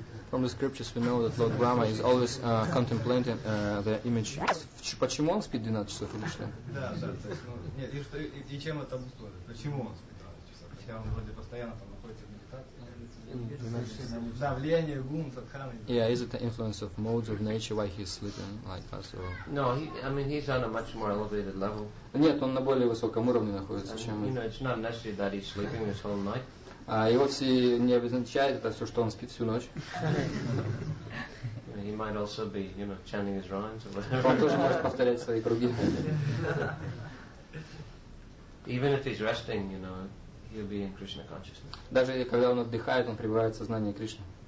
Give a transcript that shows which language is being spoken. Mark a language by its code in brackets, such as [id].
[en] From the scriptures we know that Lord Brahma is always contemplating the image. [ru] Почему он спит 12 часов? Да, да. И чем это обусловлено? Почему он спит 12 часов? хотя он вроде постоянно там находится в медитации. Давление гун садханы. [en] Yeah, is it the influence of modes of nature why he's sleeping like us? Or... No, he, I mean he's on a much more elevated level. [ru] Нет, он на более высоком уровне находится, чем. [en] You know, it's not necessary that he's sleeping this whole night. [ru] И вовсе не обозначает это все, что он спит всю ночь. [en] He might also be, you know, chanting his rhymes or whatever. [ru] Он тоже может повторять свои круги. [en] Even if he's resting, you know, he'll be in Krishna consciousness. [ru] Даже когда он отдыхает, он пребывает в сознании Кришны.